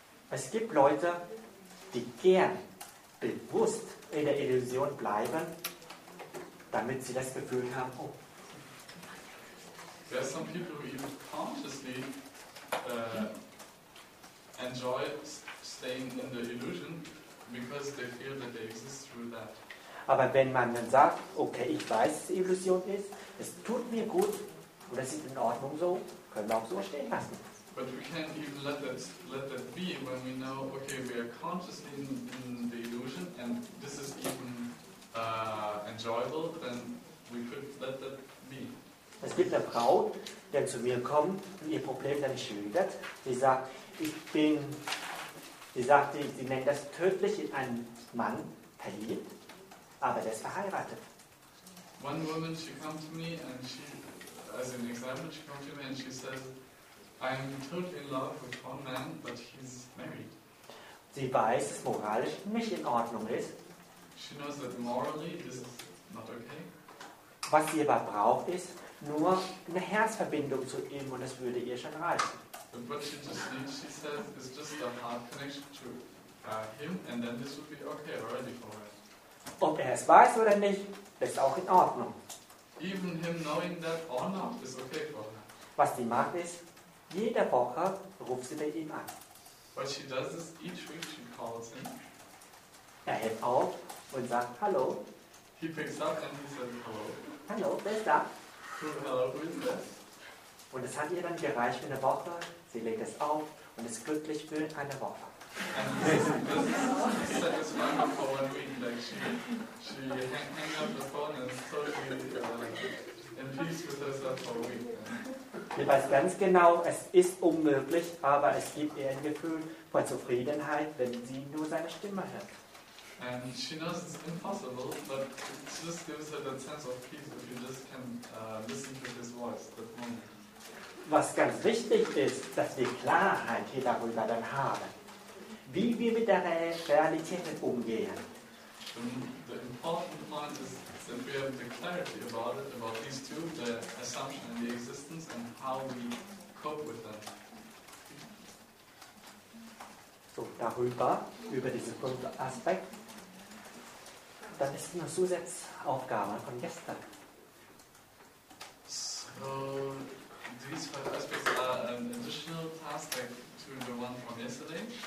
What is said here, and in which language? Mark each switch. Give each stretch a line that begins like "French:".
German: Es gibt Leute, die gern bewusst in der Illusion bleiben, damit sie das Gefühl haben, oh.
English: There are some people who even consciously enjoy staying in the illusion because they feel that they exist through that.
German: Aber wenn man dann sagt, okay, ich weiß, dass es Illusion ist, es tut mir gut und es ist in Ordnung so, können wir auch so stehen lassen.
English: But we can't even let that be when we know, okay, we are consciously in the illusion and this is even enjoyable, then we could let that be.
German: Es gibt eine Frau, die zu mir kommt und ihr Problem dann schildert. Sie sagt, sie nennt das tödlich in einen Mann verliebt, aber der ist verheiratet.
English: One woman, she comes to me and she, as an example, she comes to me and she says, I'm totally in love with one man, but he's married.
German: Sie weiß, dass moralisch nicht in Ordnung ist.
English: She knows that morally this is not okay.
German: Was sie aber braucht, ist nur eine Herzverbindung zu ihm und das würde ihr schon reichen.
English: But what she just needs, she says, is just a hard connection to him, and then this would be okay already for her.
German: Ob er es weiß oder nicht, ist auch in Ordnung.
English: Even him knowing that or not is okay for her.
German: Was sie macht ist, jede Woche ruft sie bei ihm an.
English: What she does is each week she calls him.
German: Er hält auf und sagt hallo.
English: He picks up and he says hello.
German: Hallo, wer ist da?
English: Hello, who is this?
German: Und es hat ihr dann gereicht für eine Woche. Sie legt es auf und ist glücklich für eine Woche.
English: And this is satisfying for 1 week. Like she hang up the phone and is totally in peace with herself for a week.
German: Sie weiß ganz genau, es ist unmöglich, aber es gibt ihr ein Gefühl von Zufriedenheit, wenn sie nur seine Stimme hört.
English: And she knows it's impossible, but it just gives her that sense of peace if you just can listen to his voice that moment.
German: Was ganz wichtig ist, dass wir Klarheit hier darüber dann haben, wie wir mit der Realität umgehen.
English: The important point is that we have the clarity about it, about these two, the assumption and the existence, and how we cope with them.
German: So, darüber, über diesen fünften Aspekt, dann ist eine Zusatzaufgabe von gestern.
English: So, these five aspects are an additional task to the one from yesterday.